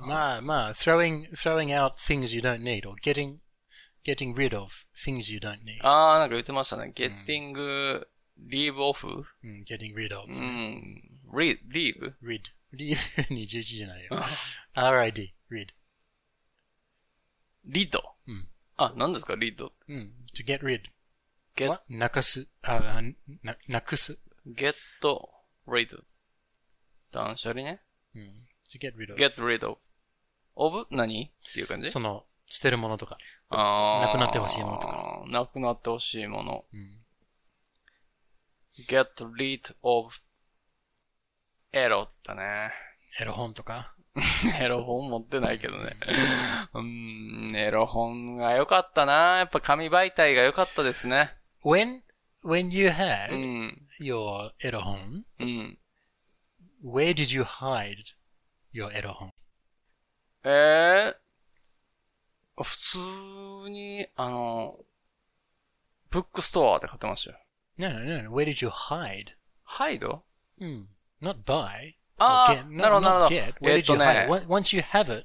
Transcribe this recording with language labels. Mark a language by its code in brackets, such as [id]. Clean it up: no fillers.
[en] まあまあ、throwing out things you don't need, or getting rid of things you don't need. [ja] ああ、なんか言ってましたね。 [en] getting,、うん、leave off?、うん、getting rid of. うん。leave? rid. leave [ja] に11じゃないよ。 [en] rid, rid. rid? [ja] うん。あ、何ですか rid? [en] うん。to get rid. get? [ja] なくす。あ、なくす。 [en] get. rid. 断捨離ね。うん。to get rid of. get rid of. of? [ja] 何？っていう感じ？その、捨てるものとか。ああ。なくなってほしいものとか。なくなってほしいもの。うん。 [en] get rid of. [ja] エロだね。エロ本とか？エロ本持ってないけどね。エロ本が良かったな。やっぱ紙媒体が良かったですね。 [en] When you had your エロ本、Where did you hide your エロ本？ [ja] 普通にブックストアで買ってましたよ。 [en] No. Where did you hide? Hide? うん。Not buy. [ja] ああ、なるほどなるほど。 [en] Where did you hide? Once you have it,